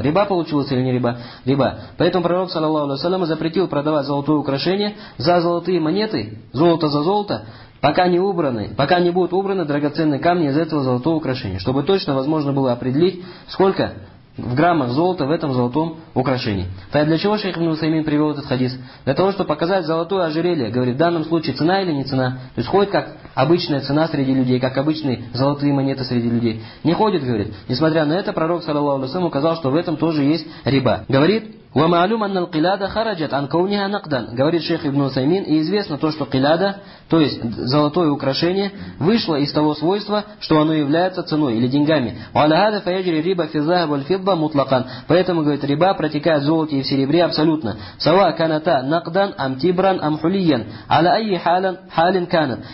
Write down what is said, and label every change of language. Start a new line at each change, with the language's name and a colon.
Russian: Риба получилась или не риба? Риба. Поэтому пророк, саллаллаху алейхи ва саллям, запретил продавать золотое украшение за золотые монеты, золото за золото, пока не будут убраны драгоценные камни из этого золотого украшения, чтобы точно возможно было определить, сколько в граммах золота в этом золотом украшении. Так для чего шейх ибн Усаймин привел этот хадис? Для того, чтобы показать золотое ожерелье, говорит, в данном случае цена или не цена. То есть ходит как обычная цена среди людей, как обычные золотые монеты среди людей. Не ходит, говорит. Несмотря на это, пророк, саллаллаху алейхи ва саллям, указал, что в этом тоже есть риба. Говорит,
Arabic: وَمَعْلُمْ أَنَّ الْقِلَادَ خَرَجَتْ عَنْ كَوْنِهَا نَقْدًا.
Russian: Говорит шейх ибн Усаймин, и известно то, что килада, то есть золотое украшение, вышло из того свойства, что оно является ценой или деньгами.
Arabic: وَعَلَى هَذَا فَيَجْرِي رِبَا فِي الذَّهَبِ وَالْفِضَّةِ مُطْلَقًا.
Russian: Поэтому, говорит, риба протекает в золоте и в серебре абсолютно.
Arabic: سَوَا كَانَتَا نَقْدًا أَمْ تِبْرًا أَمْ حُلِيًّا عَلَى أَيِّ حَالًا حَالٍ كَانَتْ.